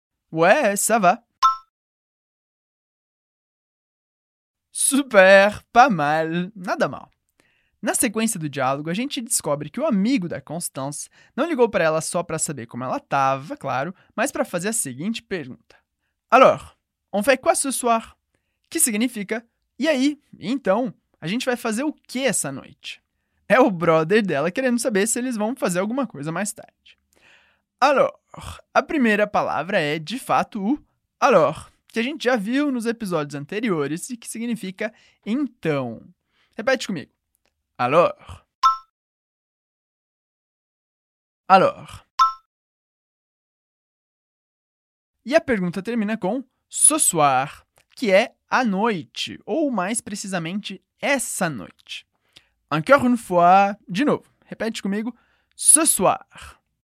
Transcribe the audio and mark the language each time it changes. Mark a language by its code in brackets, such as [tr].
[fr] Ouais, ça va. [pt] Super, [fr] pas mal, [pt] nada mal. Na sequência do diálogo, a gente descobre que o amigo da Constance não ligou para ela só para saber como ela estava, claro, mas para fazer a seguinte pergunta. [fr] Alors, on fait quoi ce soir? [pt] Que significa, e aí, então, a gente vai fazer o que essa noite? É o brother dela querendo saber se eles vão fazer alguma coisa mais tarde. Alors, a primeira palavra é, de fato, o alors, que a gente já viu nos episódios anteriores e que significa então. Repete comigo. Alors. [fr] Alors. [pt] E a pergunta termina com ce soir, que é a noite, ou mais precisamente, essa noite. [fr] Encore une fois, [pt] de novo, repete comigo, [fr] ce soir.